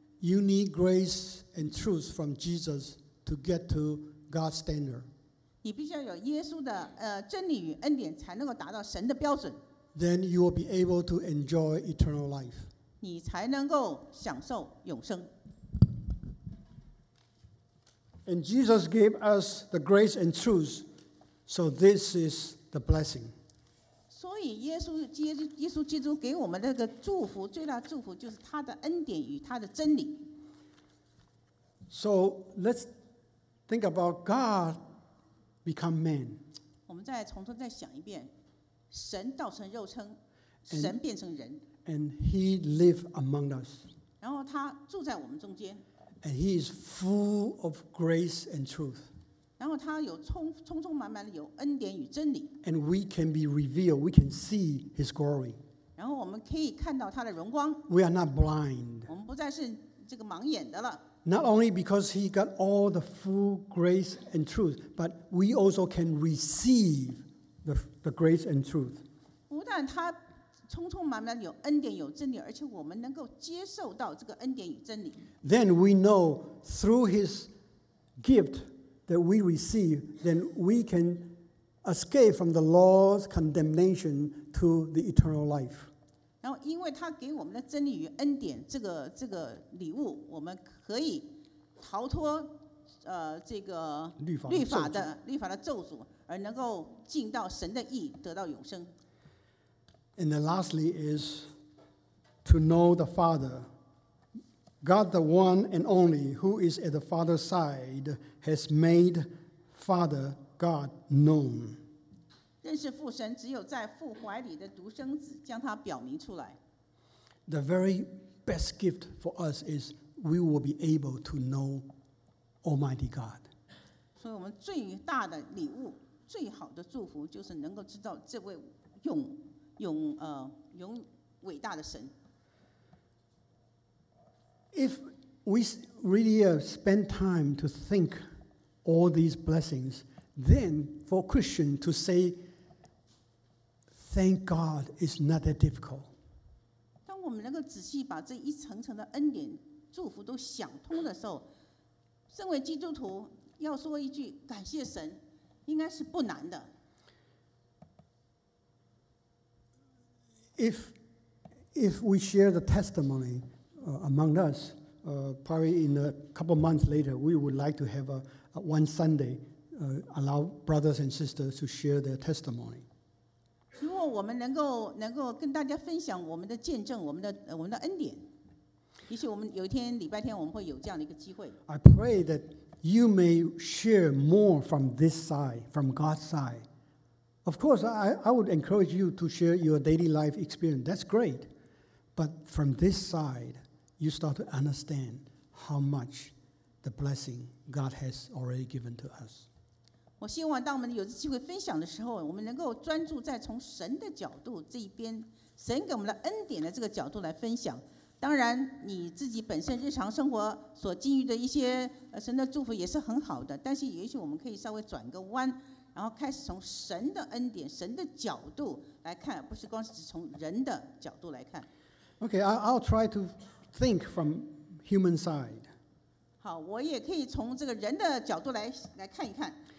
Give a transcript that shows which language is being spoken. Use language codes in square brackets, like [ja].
[en] You need grace and truth from Jesus to get to God's standard. [zh] 你必须要有耶稣的真理与恩典，才能够达到神的标准。 [en] Then you will be able to enjoy eternal life. [zh] 你才能够享受永生。 [en] And Jesus gave us the grace and truth, so this is the blessing. [zh] 所以耶稣基督给我们的这个祝福，最大祝福就是他的恩典与他的真理。 [en] So let's think about God become man. [zh] 我们再从头再想一遍。神道成肉身，神变成人。 [en] And he lived among us. [zh] 然后他住在我们中间。 [en] And he is full of grace and truth. [zh] 然后他有充满满的有恩典与真理。 [en] And we can be revealed, we can see his glory. [zh] 然后我们可以看到他的荣光。 [en] We are not blind. [zh] 我们不再是这个盲眼的了。 [en] Not only because he got all the full grace and truth, but we also can receive the grace and truth. [zh] 不但他充充满满有恩典有真理，而且我们能够接受到这个恩典与真理。 [en] Then we know through his gift that we receive, then we can escape from the law's condemnation to the eternal life. [zh] 然后因为他给我们的真理与恩典这个礼物，我们可以逃脱这个律法的咒诅，而能够进到神的义，得到永生。 [en] And then lastly is to know the Father. God, the one and only who is at the Father's side, has made Father God known. [zh] 认识父神，只有在父怀里的独生子将他表明出来。 [en] The very best gift for us is we will be able to know Almighty God. [zh] 所以我们最大的礼物，最好的祝福，就是能够知道这位永伟大的神。 [en] If we really spend time to think all these blessings, then for Christian to say thank God is not that difficult. [zh] 当我们能够仔细把这一层层的恩典祝福都想通的时候，身为基督徒要说一句感谢神应该是不难的。 [en] If we share the testimony among us, probably in a couple months later, we would like to have one Sunday, allow brothers and sisters to share their testimony. [zh] 如果我们能够跟大家分享我们的见证，我们的恩典，也许我们有一天礼拜天我们会有这样的一个机会。 [en] I pray that you may share more from this side, from God's side. Of course, I would encourage you to share your daily life experience. That's great. But from this side, you start to understand how much the blessing God has already given to us. [zh] 我希望当我们有机会分享的时候，我们能够专注在从神的角度这一边，神给我们的恩典的这个角度来分享。当然，你自己本身日常生活所经历的一些神的祝福也是很好的，但是也许我们可以稍微转个弯，然后开始从神的恩典、神的角度来看，不是光是从人的角度来看。 [en] Okay, I'll try to think from human side. [zh] 好，我也可以从这个人的角度来看一看。